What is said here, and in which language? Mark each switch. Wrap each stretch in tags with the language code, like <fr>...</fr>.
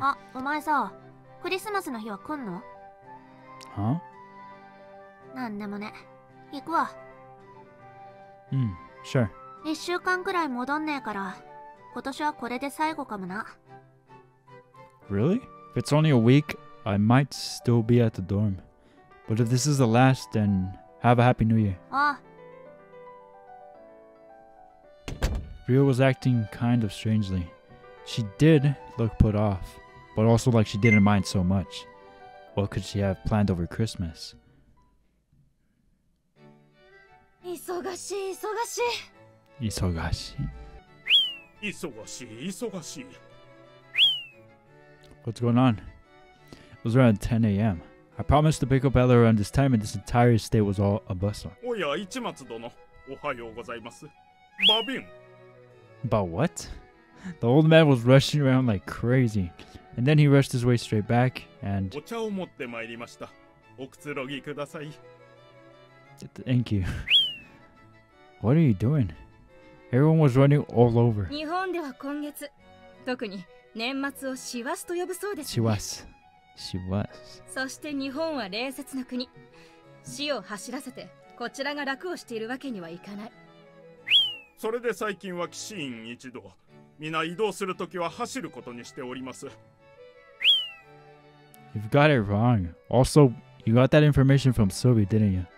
<ja>あ、お前さ、クリスマスの日は来んの？</ja> <en>Huh?</en> <ja>なんでもね。行くわ。うん、</ja> <en>sure.</en> <ja>一週間くらい戻んねえから、今年はこれで最後かもな。</ja> <en>Really? If it's only a week, I might still be at the dorm. But if this is the last, then have a happy new year.</en> <ja>ああ。</ja> <en>Ryo was acting kind of strangely. She did look put off, but also like she didn't mind so much. What could she have planned over Christmas?</en> <ja>忙しい忙しい。忙しい。忙しい忙しい。</ja> <en>What's going on? It was around 10 a.m. I promised to pick up Elle around this time, and this entire estate was all a bustle.</en> <ja>おや、市松殿、おはようございます。バビン。</ja> <en>About what? The old man was rushing around like crazy, and then he rushed his way straight back and.</en> <ja>お茶を持ってまいりました。おくつろぎください。</ja> <en>Thank you. What are you doing? Everyone was running all over.</en> <ja>日本では今月、特に。年末をシワスと呼ぶそうです、ね。シワス、シワス。そして日本は礼節の国。死を走らせてこちらが楽をしているわけにはいかない。それで最近は騎士員一同、みんな移動するときは走ることにしております。</ja> <en>You've got it wrong. Also, you got that information from Sylvie, didn't you?</en>